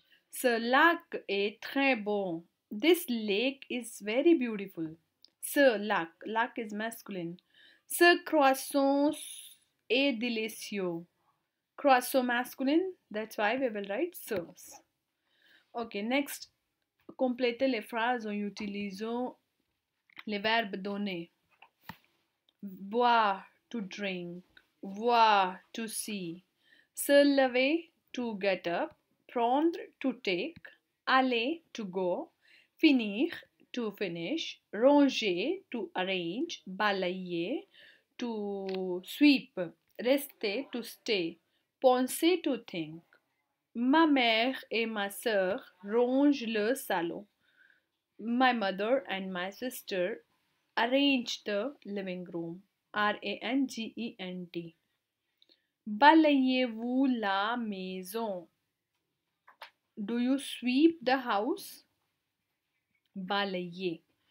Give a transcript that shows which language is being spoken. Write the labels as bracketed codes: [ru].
[fr] Ce lac est très bon. [en] This lake is very beautiful. [fr] Ce lac, lac [en] is masculine. [fr] Ce croissant est délicieux. [en] Croissant masculine, that's why we will write ce. Okay, next, [fr] complétez les phrases en utilisant les verbes donnés. [en] Boire, to drink. Voir, to see. Se lever, to get up. Prendre, to take. Aller, to go. Finir, to finish. Ranger, to arrange. Balayer, to sweep. Rester, to stay. Penser, to think. [fr] Ma mère et ma sœur rangent le salon. [en] My mother and my sister arrange the living room. [fr] R-A-N-G-E-N-T. Balayez-vous la maison? [en] Do you sweep the house? Balayez.